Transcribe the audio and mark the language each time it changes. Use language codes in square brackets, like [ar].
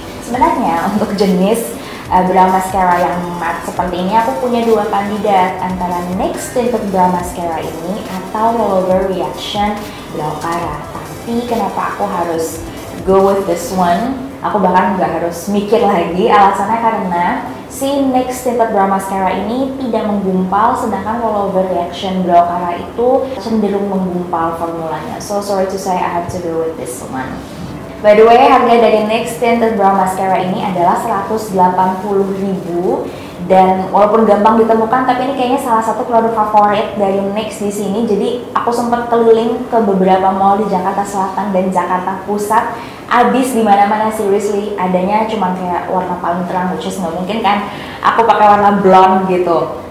[id] Sebenarnya untuk jenis brow mascara yang matte seperti ini, aku punya dua kandidat, antara NYX Tinted Brow Mascara ini atau Rollover Reaction Brow Cara. Tapi kenapa aku harus [en] go with this one? [id] Aku bahkan gak harus mikir lagi, alasannya karena si NYX Tinted Brow Mascara ini tidak menggumpal, sedangkan Rollover Reaction Brow Cara itu cenderung menggumpal formulanya. [en] So sorry to say, I have to go with this one. [id] By the way, harga dari NYX Tinted Brow Mascara ini adalah Rp180.000 dan walaupun gampang ditemukan, tapi ini kayaknya salah satu produk favorit dari NYX di sini. Jadi aku sempat keliling ke beberapa mall di Jakarta Selatan dan Jakarta Pusat, abis di mana-mana, seriously, adanya cuma kayak warna paling terang, which is gak mungkin kan aku pakai warna blonde gitu.